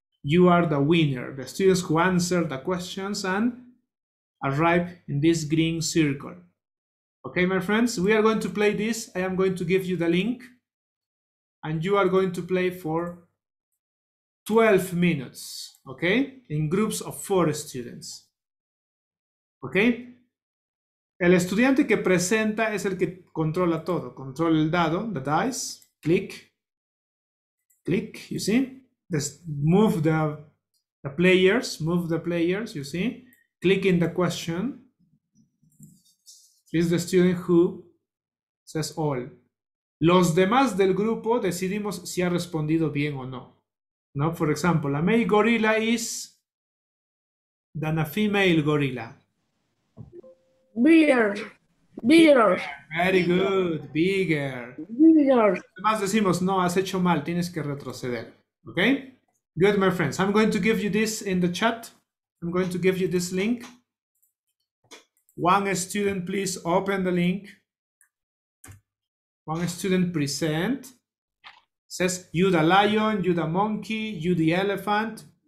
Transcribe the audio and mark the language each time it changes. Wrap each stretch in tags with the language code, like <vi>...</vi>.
<en>You are the winner. The students who answer the questions and arrive in this green circle. ¿Ok, my friends? We are going to play this. I am going to give you the link. And you are going to play for 12 minutes, okay? In groups of 4 students, okay?</en> <es>El estudiante que presenta es el que controla todo. Controla el dado,</es> <en>the dice, click, click, you see? Just move the players, you see? Click in the question. It's the student who says all.</en> <es>Los demás del grupo decidimos si ha respondido bien o no.</es> <en>No, for example, la male gorilla is than a female gorilla. Bigger. Bigger. Very good. Bigger. Bigger.</en> <es>Los demás decimos, no, has hecho mal, tienes que retroceder.</es> <en>Okay? Good, my friends. I'm going to give you this in the chat. I'm going to give you this link. One student, please open the link. One student present, Says, you the lion, you the monkey, you the elephant.</en>